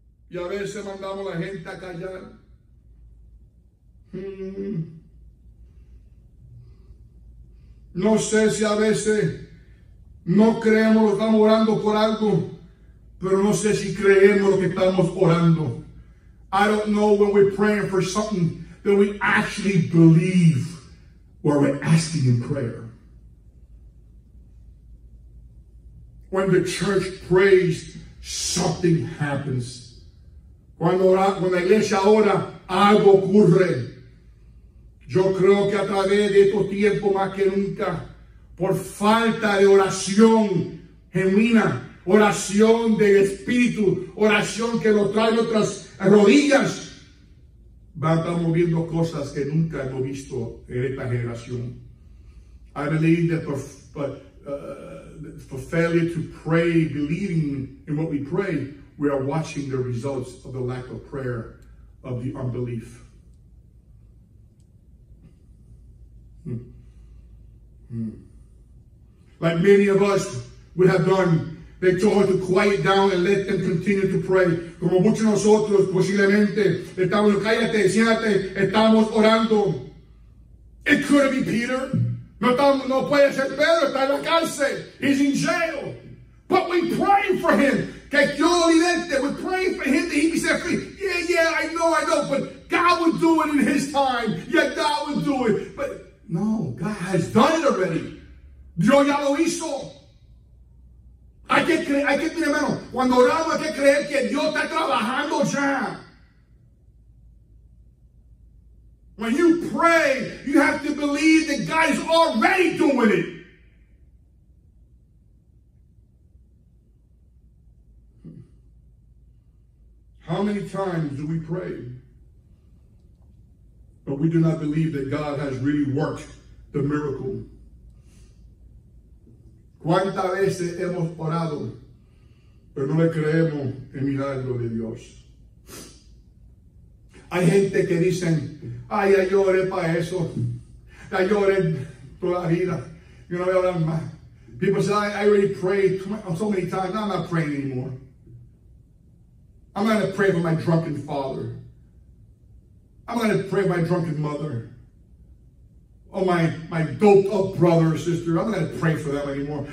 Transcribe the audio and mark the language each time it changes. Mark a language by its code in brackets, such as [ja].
[es] Y a veces mandamos a la gente a callar. No sé si a veces no creemos lo que estamos orando por algo. Pero no sé si creemos lo que estamos orando. [en] I don't know when we're praying for something that we actually believe what we're asking in prayer. When the church prays, something happens. [es] Cuando la iglesia ora, algo ocurre. Yo creo que a través de estos tiempos más que nunca, por falta de oración genuina, oración del Espíritu, oración que nos trae otras rodillas. Estamos viendo cosas que nunca hemos visto en esta generación. [en] I believe that for failure to pray, believing in what we pray, we are watching the results of the lack of prayer of the unbelief. Like many of us would have done, they told her to quiet down and let them continue to pray. [es] Como muchos de nosotros, posiblemente, estamos, cállate, siéntate, estamos orando. [en] It could be Peter. [es] No puede ser Pedro, está en la cárcel. [en] He's in jail. But we pray for him. [es] Que Dios lo liberte. [en] We pray for him that he be set free. Yeah, I know. But God would do it in his time. Yeah, God would do it. But no, God has done it already. [es] Dios ya lo hizo. Hay que tener hermano, cuando oramos hay que creer que Dios está trabajando ya. [en] When you pray, you have to believe that God is already doing it. How many times do we pray? But we do not believe that God has really worked the miracle. [es] ¿Cuántas veces hemos orado, pero no le creemos el milagro de Dios? Hay gente que dicen, ay, ya lloré para eso. Ya lloré toda la vida. Yo no voy a orar más. [en] People say, I already prayed so many times. Now I'm not praying anymore. I'm not going to pray for my drunken father. I'm not going to pray for my drunken mother. Or my doped up brother or sister. I'm not going to pray for them anymore.